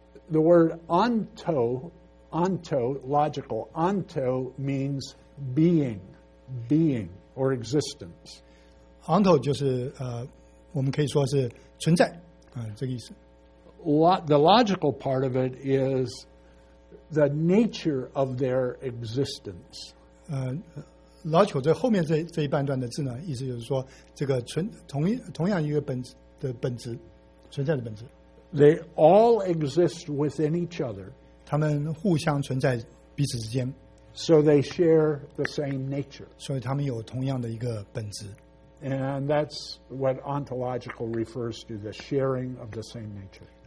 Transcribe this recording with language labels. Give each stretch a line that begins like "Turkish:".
English: The word ontological, onto means being or existence.
Chinese: Onto 就是我们可以说是存在这个意思。
English: The logical part of it is the nature of their existence.
Chinese: Logical 这后面这一半段的字呢，意思就是说这个同样一个本质，存在的本质。
English: They all exist within each other.
Chinese: 他们互相存在彼此之间。
English: So they share the same nature.
Chinese: 所以他们有同样的一个本质。
English: And that's what ontological refers to, the sharing of the same nature.